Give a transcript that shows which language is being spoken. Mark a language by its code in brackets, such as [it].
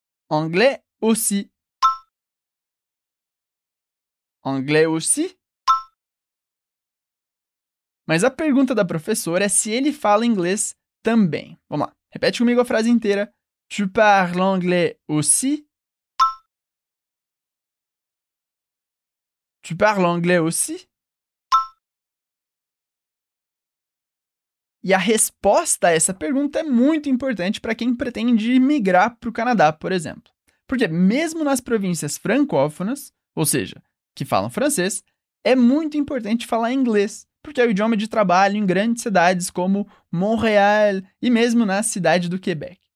[fr] Anglais aussi. Anglais aussi. [pt] Mas a pergunta da professora é se ele fala inglês também. Vamos lá. Repete comigo a frase inteira. [fr] Tu parles anglais aussi? Tu parles anglais aussi? [pt] E a resposta a essa pergunta é muito importante para quem pretende migrar para o Canadá, por exemplo. Porque mesmo nas províncias francófonas, ou seja, que falam francês, é muito importante falar inglês, porque é o idioma de trabalho em grandes cidades como Montreal e mesmo na cidade do Quebec.